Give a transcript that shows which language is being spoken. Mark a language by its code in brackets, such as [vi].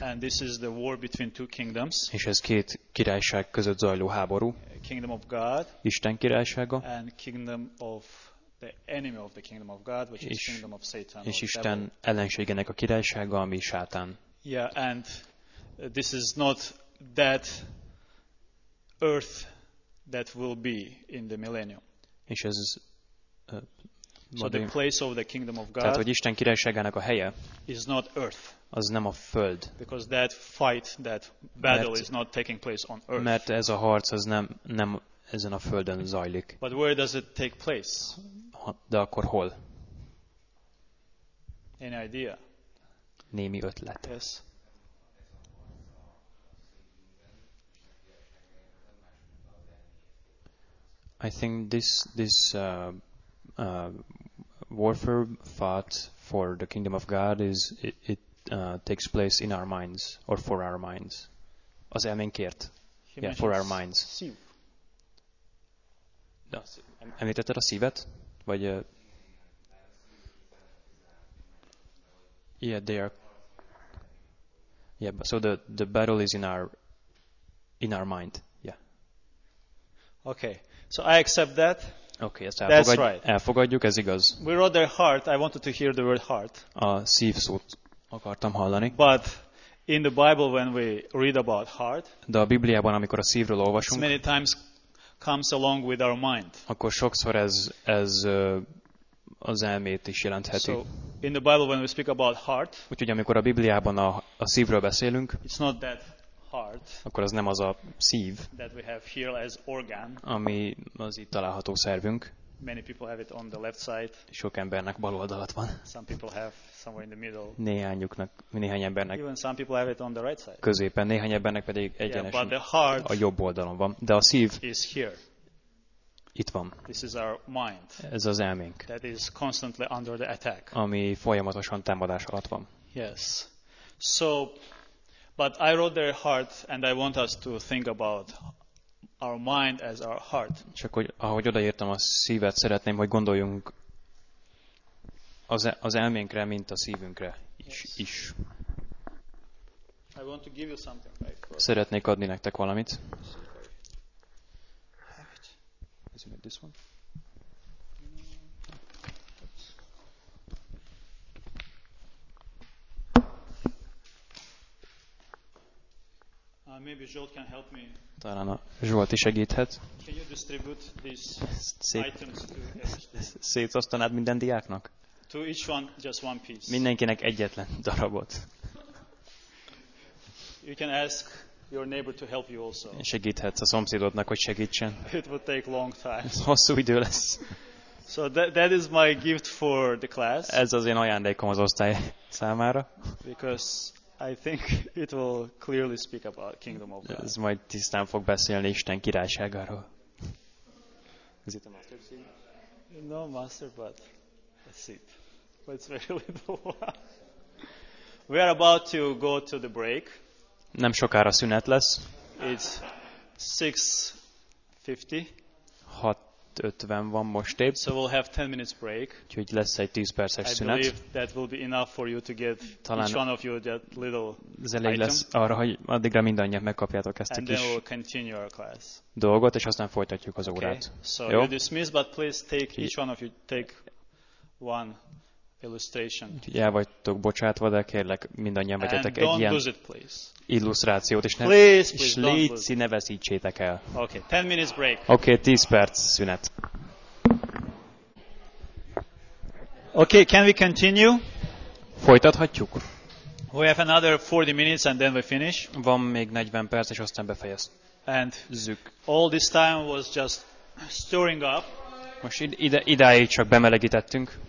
[en] And this is the war between two kingdoms. [hu] És ez két királyság között zajló háború. [en] Kingdom of God. [hu] Isten királysága. [en] And kingdom of the enemy of the kingdom of God, which is kingdom of Satan. [hu] És Isten ellenségének a királysága, ami Sátán. [en] Yeah, and this is not that earth that will be in the millennium. [hu] És ez [en] so the place of the kingdom of God. [hu] Tehát, hogy Isten királyságának a helye [en] is not earth. [hu] Az nem a föld. [en] Because that fight, that battle is not taking place on earth. [hu] Mert ez a harc az nem ezen a földön zajlik. [en] But where does it take place? [hu] De akkor hol? [en] Any idea? [hu] Némi ötlet. [en] Yes. I think this warfare fought for the kingdom of God is it takes place in our minds or for our minds. [hu] Az elménkért. [en] Yeah, for our minds. [hu] Szív. No. Említetted a szívet? [en] Vagy so the battle is in our mind. Yeah. Okay. So I accept that. [hu] Okay, ezt elfogadjuk, ez igaz. [en] We wrote their heart. I wanted to hear the word heart. [hu] A szív szót akartam hallani. [en] But in the Bible when we read about heart, [hu] de a Bibliában, amikor a szívről olvasunk, [en] many times comes along with our mind. [hu] Akkor sokszor ez az elmét is jelentheti. [en] So in the Bible when we speak about heart, [hu] úgyhogy amikor a Bibliában a szívről beszélünk, [en] it's not that heart, [hu] akkor az nem az a szív, [en] that we have here as organ, [hu] ami az itt található szervünk. [en] Many people have it on the left side. [hu] Sok embernek bal oldalat van. [en] Some people have somewhere in the middle. [hu] Néhány embernek. [en] Even some people have it on the right side. [hu] Középen, néhány embernek pedig egyenesen. [en] Yeah, but the heart [hu] a jobb oldalon van. De a szív [en] is here. [hu] Itt van. [en] This is our mind. [hu] Ez az elménk. [en] That is constantly under the attack. [hu] Ami folyamatosan támadás alatt van. [en] Yes. So, but I wrote their heart, and I want us to think about our mind as our heart. [hu] Csak hogy ahogy odaértem a szívet, szeretném, hogy gondoljunk az elménkre, mint a szívünkre is. [en] I want to give you something. [hu] Szeretnék adni nektek valamit. [en] Isn't it this one? Maybe Zsolt can help me. [hu] Talán a Zsolt is segíthet. [en] Can you distribute these items to each? [hu] Szétosztanád minden diáknak? [en] To each one, just one piece. [hu] Mindenkinek egyetlen darabot. [en] You can ask your neighbor to help you also. [hu] Segíthetsz a szomszédodnak, hogy segítsen. [en] It would take long time. [hu] Ez hosszú idő lesz. [en] So that is my gift for the class. [hu] Ez az én ajándékom az osztály számára. [en] Because I think it will clearly speak about kingdom of God. [hu] Ez majd tisztán fog beszélni Isten királyságáról. [en] Is it a master seat? No master, but a seat. But it's very little one. We are about to go to the break. [hu] Nem sokára szünet lesz. [en] It's 6:50. [hu] 6:50 van most épp. [en] So we'll have 10 minutes break. [hu] Úgyhogy lesz egy 10 perces szünet. [en] I believe that will be enough for you to get [hu] talán [en] each one of you that little [hu] ez elég lesz arra, hogy addigra mindannyian megkapjátok ezt a [en] and [hu] kis [en] then we'll continue our class. [hu] Dolgot, és aztán folytatjuk az [en] okay. [hu] órát. [en] So you're dismissed, but please take each one of you take one illustration. [hu] Ja vagytok bocsátva, de kérlek mindannyian vegyetek egy ilyen [en] it, [hu] illusztrációt, és ne veszítsétek el. [en] Okay, 10 minutes break. [hu] Okay, 10 perc szünet. [en] Okay, can we continue? [hu] Folytathatjuk? [en] We have another 40 minutes and then we finish. [hu] Van még 40 perc és aztán befejezzük. [en] All this time was just stirring up. [hu] Most idáig csak bemelegítettünk.